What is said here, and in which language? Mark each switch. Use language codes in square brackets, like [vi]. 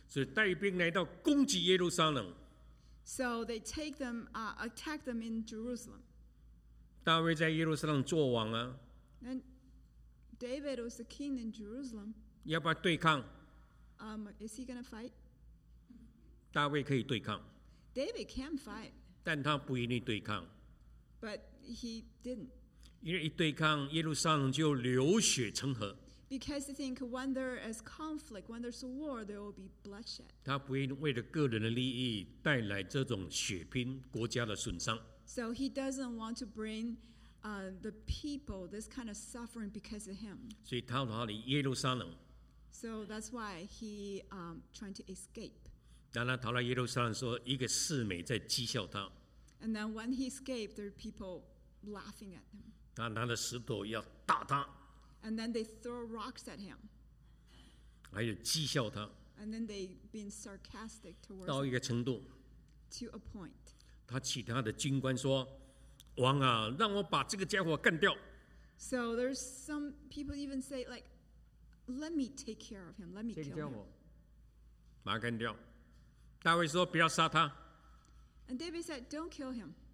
[zh] 所以带兵来到攻击耶路撒冷。 [en] So they take them, attack them in Jerusalem. [zh] 大卫在耶路撒冷做王啊。 [en] And David was the king in Jerusalem. [zh] 要不要对抗？ [en] Is he gonna fight? [zh] 大卫可以对抗。 [en] David can fight. [zh] 但他不愿意对抗。 [en] But he didn't. [zh] 因为一对抗，耶路撒冷就流血成河。 [en] Because you think when there is conflict, when there's war, there will be bloodshed. [zh] 他不愿意为了个人的利益带来这种血拼、国家的损伤。 [en] So he doesn't want to bring, the people this kind of suffering because of him. [zh] 所以逃到了耶路撒冷。 [en] So that's why he, trying to escape. [zh] 当他逃到耶路撒冷，说一个侍妹在讥笑他。 [en] And then when he escaped, there are people laughing at him. [zh] 他拿着石头要打他。 [en] And then they throw rocks at him. [zh] 还有讥笑他。 [en] And then they being sarcastic towards. [zh] 到一个程度。 [en] To a point. [zh] 他其他的军官说：“王啊，让我把这个家伙干掉。 [en] ”So there's some people even say like, "Let me take care of him. Let me kill him." [zh] 把他干掉。大卫说：“不要杀他。” [en] And David said, "Don't kill him."